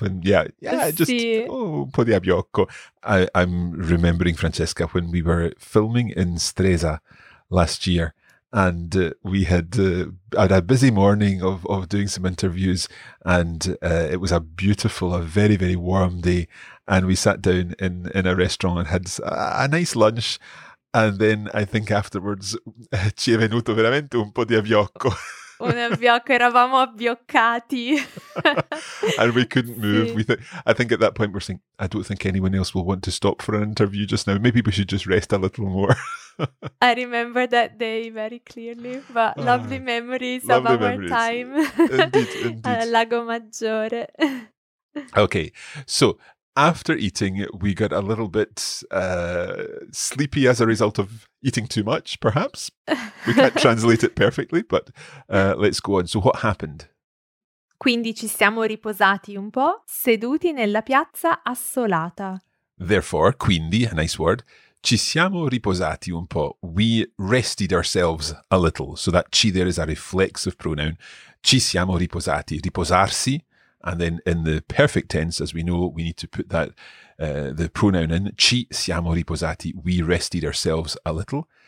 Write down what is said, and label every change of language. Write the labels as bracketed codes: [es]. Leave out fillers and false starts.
[en] And un po' di abbiocco. I'm remembering, Francesca, when we were filming in Stresa last year and we had a busy morning of doing some interviews, and it was a very, very warm day. And we sat down in a restaurant and had a nice lunch. And then I think afterwards, ci è venuto veramente un po' di abbiocco. [it] Un abbiocco, eravamo abbioccati. [en] And we couldn't move. Sì. I think at that point we're saying, I don't think anyone else will want to stop for an interview just now. Maybe we should just rest a little more. I remember that day very clearly, but lovely memories of our time. Indeed. [it] Lago Maggiore. [en] Okay, so... After eating, we got a little bit sleepy as a result of eating too much, perhaps. We can't translate it perfectly, but let's go on. So what happened? [it] Quindi ci siamo riposati un po', seduti nella piazza assolata. [en] Therefore, quindi, a nice word, ci siamo riposati un po'. We rested ourselves a little. So that ci there is a reflexive pronoun. Ci siamo riposati. Riposarsi. And then in the perfect tense, as we know, we need to put that the pronoun in. Ci siamo riposati. We rested ourselves a little.